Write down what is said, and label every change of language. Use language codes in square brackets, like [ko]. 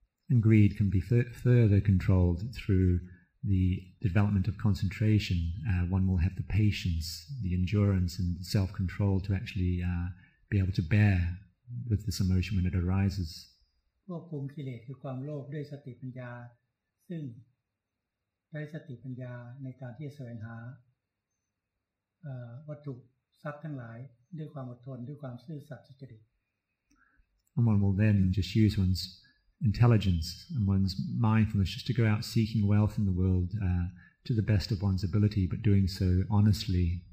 [en] And greed can be further controlled throughthe development of concentration, one will have the patience, the endurance and the self-control to actually be able to bear with this emotion when it arises. [th] ควบคุมกิเลสคือความโลภด้วยสติปัญญาซึ่งใช้สติปัญญาในการที่จะแสวงหาวัตถุทรัพย์ทั้งหลายด้วยความอดทนด้วยความซื่อสัตย์สุจริต [en] And one will then just use one'sIntelligence and one's mindfulness just to go out seeking wealth in the world to the best of one's ability, but doing so honestly.